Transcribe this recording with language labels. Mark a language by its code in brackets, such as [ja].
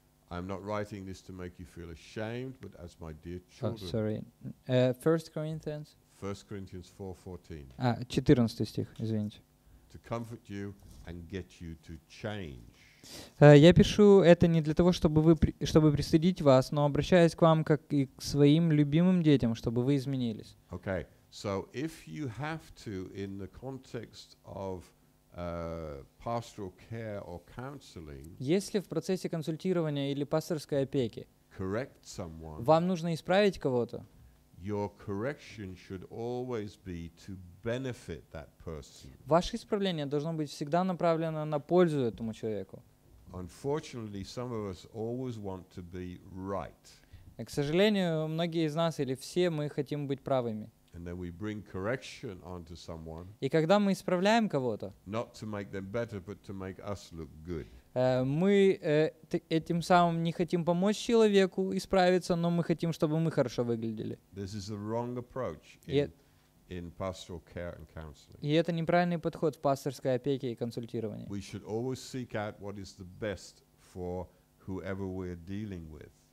[en] I'm not writing this to make you feel ashamed, but as my dear children. Oh, sorry. 1 Corinthians 4:14. [ru] 14 стих, извините. [en] To comfort you and get you to change. [ru] Я пишу это не для того, чтобы вы чтобы пристыдить вас, но обращаюсь к вам как и к своим любимым детям, чтобы вы изменились. [en] Okay. So if you have to in the context of pastoral care or counseling, [ru] если в процессе консультирования или пасторской опеки [en] correct someone, [ru] вам нужно исправить кого-то, [en] your correction should always be to benefit that person. [ru] Ваше исправление должно быть всегда направлено на пользу этому человеку. [en] Unfortunately, some of us always want to be right. [ru] К сожалению, многие из нас или все мы хотим быть правыми. [en] And then we bring correction onto someone. [ru] И когда мы исправляем кого-то, [en] not to make them better, but to make us look good. [ru] Мы этим самым не хотим помочь человеку исправиться, но мы хотим, чтобы мы хорошо выглядели. [en] This is the wrong approach in pastoral care and counseling. [ru] И это неправильный подход в пасторской опеке и консультировании. [en] We should always seek out what is the best for whoever we are dealing with.